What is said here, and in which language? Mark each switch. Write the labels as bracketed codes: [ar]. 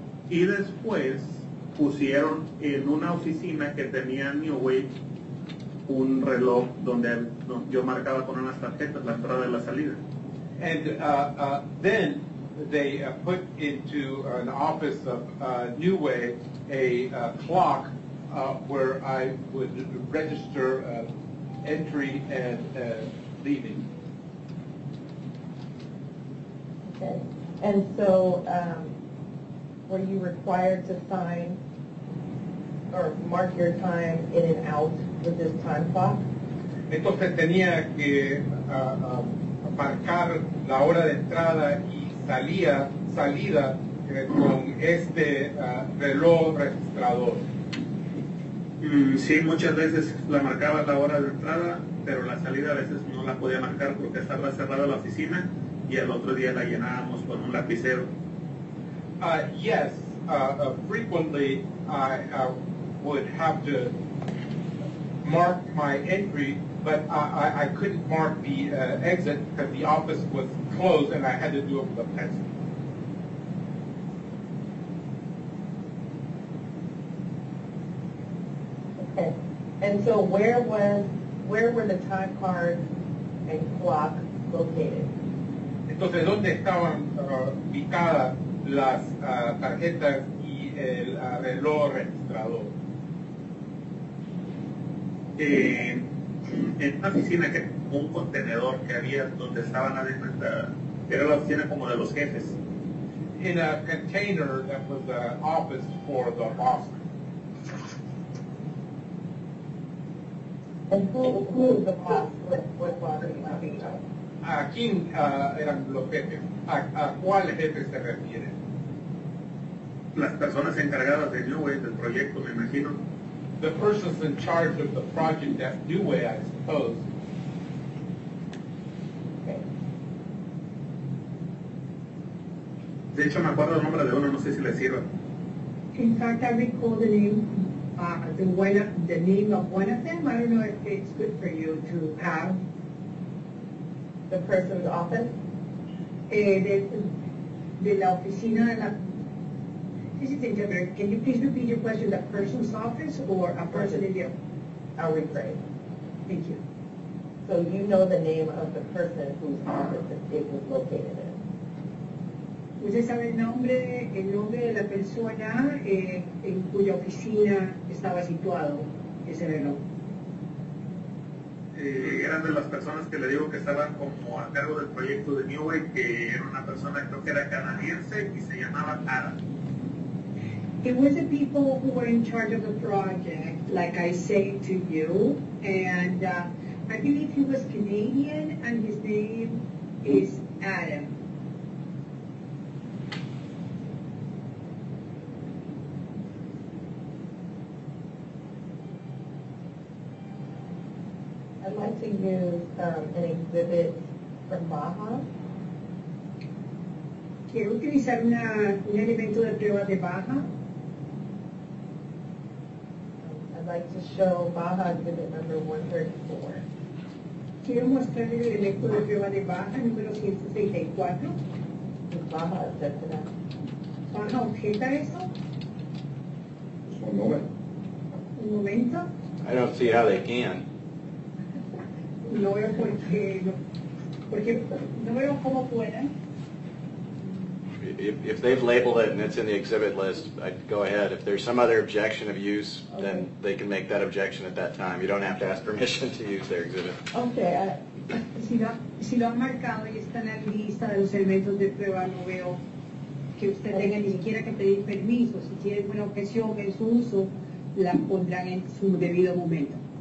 [es] Y después pusieron en una oficina que tenía New Way un reloj donde yo marcaba con unas tarjetas la entrada y la salida. [en] And then they put into an office of New Way a clock where I would register entry and leaving. Okay. And so were you required to sign or mark your time in and out with this time clock? [es] Entonces tenía que marcar la hora de entrada y salida con este reloj registrador. Sí, muchas veces la marcaba la hora de entrada, pero la salida a veces no la podía marcar porque estaba cerrada la oficina y el otro día la llenábamos con un lapicero. [en] Yes, frequently I would have to mark my entry, but I couldn't mark the exit because the office was closed and I had to do it with a pencil. And so where were the time cards and clock located? [es] Entonces, ¿dónde estaban ubicadas las tarjetas y el reloj registrador? En una oficina que un contenedor que había donde estaban adentro, era la oficina como de los jefes. [en] In a container that was the office for the boss. And who is the boss? What boss are you talking about? [es] ¿A quién eran los jefes? ¿A cuál jefe se refiere? Las personas encargadas de New Way, del proyecto, me imagino. [en] The persons in charge of the project at New Way, I suppose. Okay. [es] De hecho, me acuerdo el nombre de uno, no sé si le sirva. [en] In fact, I recall the name. The name of one of them, I don't know if it's good for you to have the person's office. [es] De la oficina de la... [en] This is interpreter. Can you please repeat your question? The person's office or a person in the... I'll rephrase. Thank you. So you know the name of the person whose office it was located in. [es] ¿Usted sabe el nombre de la persona en cuya oficina estaba situado ese reloj? Eran de las personas que le digo que estaban como a cargo del proyecto de New Way, que era una persona, creo que era canadiense, y se llamaba Tara. [en] It was the people who were in charge of the project, like I say to you, and I believe he was Canadian, and his name is Adam. I'd like to use an exhibit from Baja. [es] Quiero utilizar un elemento de prueba de Baja. [en] I'd like to show Baja exhibit number 134. [es] Quiero mostrar el elemento de prueba de Baja número 134. [en] Does Baja accept that? [es] Baja objeta eso? [en] Just one moment. [es] Un momento. [en] I don't see how they can. [es] No veo por qué, porque no veo cómo pueden. [en] If they've labeled it and it's in the exhibit list, I'd go ahead. If there's some other objection of use, okay, then they can make that objection at that time. You don't have to ask permission to use their exhibit. Okay. [es] Si lo han marcado y está en la lista de los elementos de prueba, no veo que usted tenga ni siquiera que pedir permiso. Si tiene alguna objeción en su uso, la pondrán en su debido momento.